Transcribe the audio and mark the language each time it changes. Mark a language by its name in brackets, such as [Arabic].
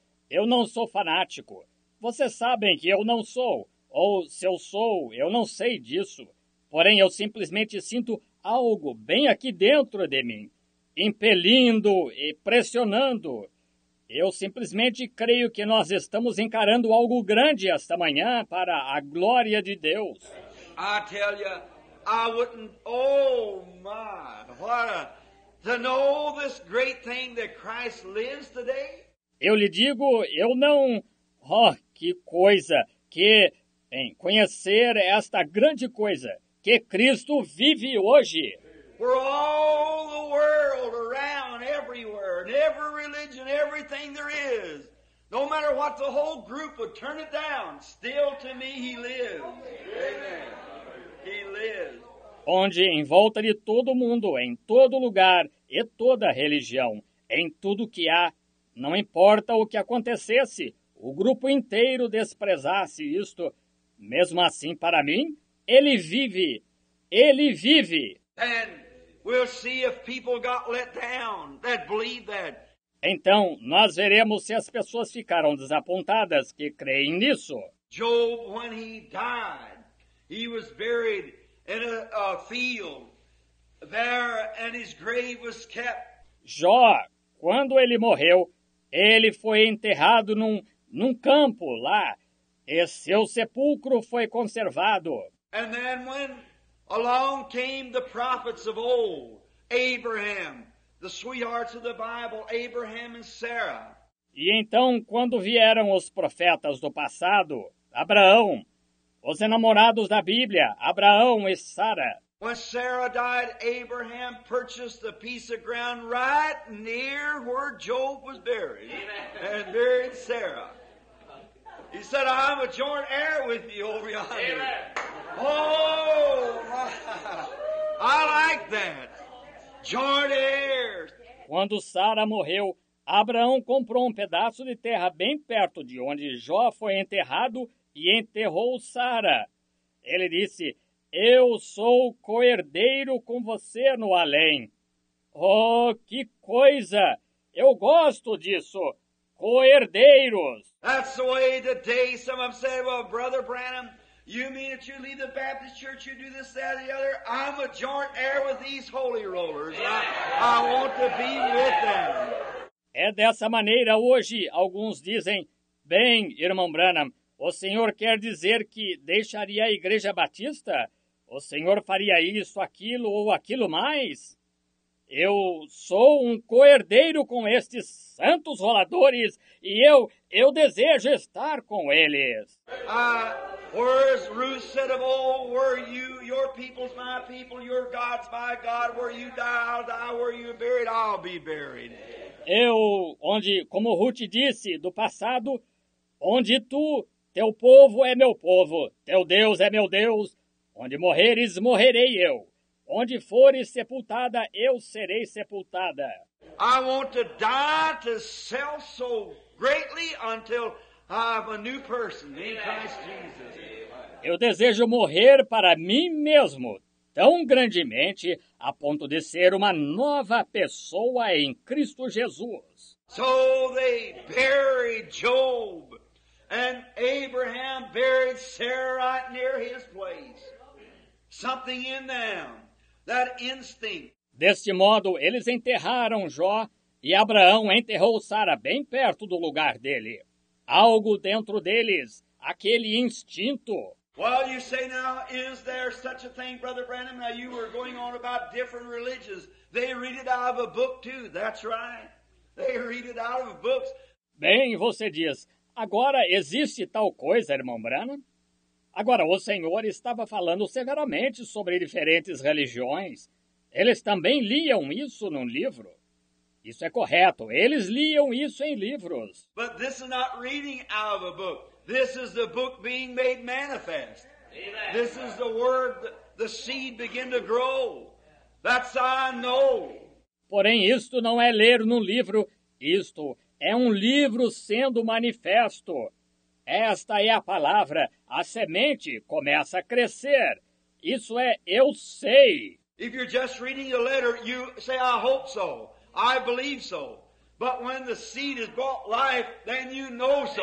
[Portuguese] Eu não sou fanático, vocês sabem que eu não sou, ou se eu sou, eu não sei disso, porém eu simplesmente sinto algo bem aqui dentro de mim, impelindo e pressionando. Eu simplesmente creio que nós estamos encarando algo grande esta manhã para a glória de Deus. [English] I tell you, I wouldn't, oh my, what a, to know this great thing that Christ lives today? [Portuguese] Eu lhe digo, eu não, oh, que coisa, que, em conhecer esta grande coisa, que Cristo vive hoje. [English] For all the world around, everywhere, and every religion, everything there is, no matter what the whole group would turn it down, still to me he lives. Amen. He lives. [Portuguese] Onde em volta de todo mundo, em todo lugar, e toda religião, em tudo que há, não importa o que acontecesse, o grupo inteiro desprezasse isto, mesmo assim para mim, ele vive. Ele vive. [English] And we'll see if people got let down that believe that. [Portuguese] Então, nós veremos se as pessoas ficaram desapontadas que creem nisso. [English] Job, when he died, he was buried in a field there, and his grave was kept. [Portuguese] Jó, quando ele morreu, ele foi enterrado num campo lá, e seu sepulcro foi conservado. [English] And then when along came the prophets of old, Abraham, the sweethearts of the Bible, Abraham and Sarah. [Portuguese] E então, quando vieram os profetas do passado, Abraão, os enamorados da Bíblia, Abraão e Sara. [English] When Sarah died, Abraham purchased a piece of ground right near where Job was buried. And buried Sarah. He said, I'm a joint heir with you over yonder. Amen. Oh, I like that. Joint heirs. [Portuguese] Quando Sara morreu, Abraão comprou um pedaço de terra bem perto de onde Jó foi enterrado e enterrou Sara. Ele disse, eu sou coerdeiro com você no além. Oh, que coisa! Eu gosto disso! Coerdeiros! [English] That's the way today some of them say, well, Brother Branham, you mean that you leave the Baptist church, you do this, that, the other? I'm a joint heir with these holy rollers. I want to be with them. [Portuguese] É dessa maneira hoje, alguns dizem, bem, irmão Branham, o senhor quer dizer que deixaria a Igreja Batista? O senhor faria isso, aquilo ou aquilo mais? Eu sou um coerdeiro com estes santos roladores e eu desejo estar com eles. [English] Where's Ruth said of old, were you, your people's my people, your God's my God, where you die, I'll die, where you're buried, I'll be buried. [Portuguese] Eu, onde, como Ruth disse do passado, onde tu, teu povo é meu povo, teu Deus é meu Deus, onde morreres, morrerei eu. Onde fores sepultada, eu serei sepultada. [English] I want to die to self so greatly until I have a new person in Christ Jesus. [Portuguese] Eu desejo morrer para mim mesmo tão grandemente a ponto de ser uma nova pessoa em Cristo Jesus. [English] So they buried Job, and Abraham buried Sarah right near his place. Something in them. That instinct. [Portuguese] Deste modo, eles enterraram Jó e Abraão enterrou Sara bem perto do lugar dele. Algo dentro deles, aquele instinto. [English] Well, you say now, is there such a thing, Brother Branham? Now, you were going on about different religions. They read it out of a book, too. That's right. They read it out of books. [Portuguese] Bem, você diz, agora existe tal coisa, irmão Branham? Agora, o senhor estava falando severamente sobre diferentes religiões. Eles também liam isso num livro. Isso é correto. Eles liam isso em livros. [English] But this is not reading out of a book. This is the book being made manifest. Amen. This is the word the seed begin to grow. That's how I know. [Portuguese] Porém, isto não é ler num livro. Isto é um livro sendo manifesto. Esta é a palavra, a semente começa a crescer. Isso é, eu sei. [English] If you're just reading the letter, you say, I hope so, I believe so. But when the seed has brought life, then you know so.